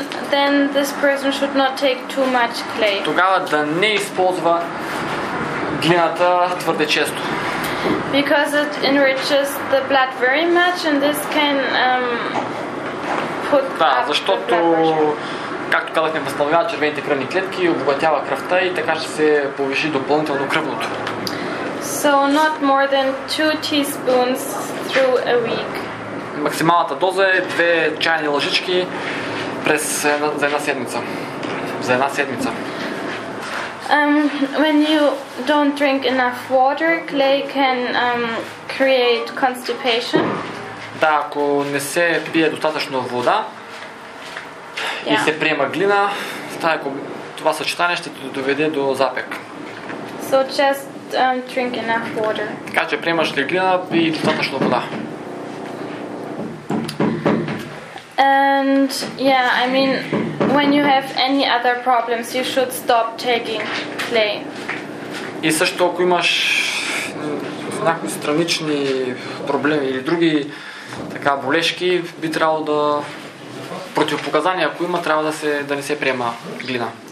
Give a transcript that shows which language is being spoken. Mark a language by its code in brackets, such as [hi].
[en] Then this person should not take too much clay. [bg] Тогава да не използва глината твърде често. [en] Because it enriches the blood very much and this can put. [bg] Да, защото както казахме, възстановява червените кръвни клетки и обогатява кръвта и така ще се повиши допълнително кръвното. [en] So not more than 2 teaspoons through a week. [bg] Максималната доза е 2 чайни лъжички през една седмица. За една седмица. [en] When you don't drink enough water, clay can create constipation. [bg] Да, ако не се пие достатъчно вода и се приема глина, това съчетание ще ти доведе до запек. [en] So just drink enough water. [bg] Така че приемаш ли глина и достатъчно вода. [en] And yeah, I mean when you have any other problems you should stop taking clay. [bg] И също ако имаш някакви странични проблеми или други така болешки, би трябвало да противопоказания, ако има, трябва да не се приема глина.